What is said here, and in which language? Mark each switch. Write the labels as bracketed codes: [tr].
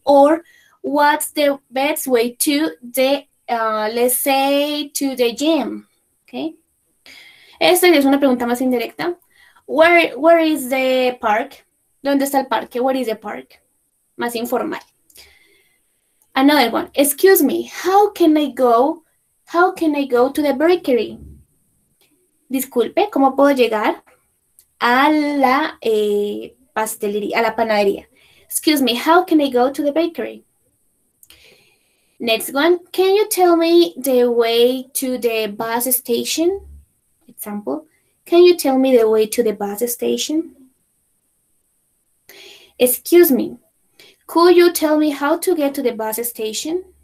[en] Or what's the best way to the, let's say, to the gym, okay? [es] Esta es una pregunta más indirecta. [en] Where is the park? [es] ¿Dónde está el parque? Where is the park? Más informal. [en] Another one. Excuse me, how can I go to the bakery? [es] Disculpe, ¿cómo puedo llegar a la pastelería, a la panadería? [en] Excuse me, how can I go to the bakery? Next one, can you tell me the way to the bus station? Example, can you tell me the way to the bus station? Excuse me, could you tell me how to get to the bus station?